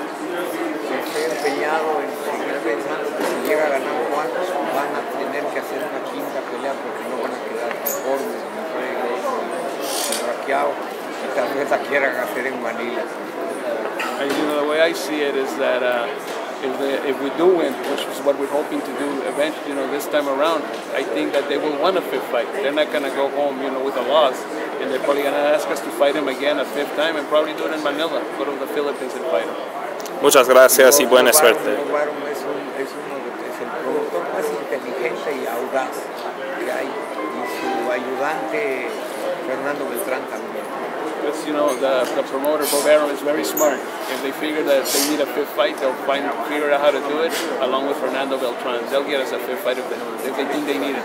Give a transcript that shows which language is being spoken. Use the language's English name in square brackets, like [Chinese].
[Spanish] Empeñado en seguir pensando que si llega a ganar Juan, van a tener que hacer una quinta pelea porque no van a quedar conformes ni Pacquiao, y tal vez la quieran hacer en Manila. [English] You know, the way I see it is that if we do win, which is what we're hoping to do eventually, you know, this time around, I think that they will want a fifth fight. They're not going to go home, you know, with a loss. And they're probably going to ask us to fight him again a fifth time and probably do it in Manila, go to the Philippines and fight him. [Spanish] Muchas gracias y buena suerte. Es el productor más inteligente y audaz que hay. Y su ayudante, Fernando Beltrán, también. [English] because you know the promoter Bovero is very smart. If they figure that they need a fifth fight, they'll figure out how to do it along with Fernando Beltran. They'll get us a fifth fight if they think they need it.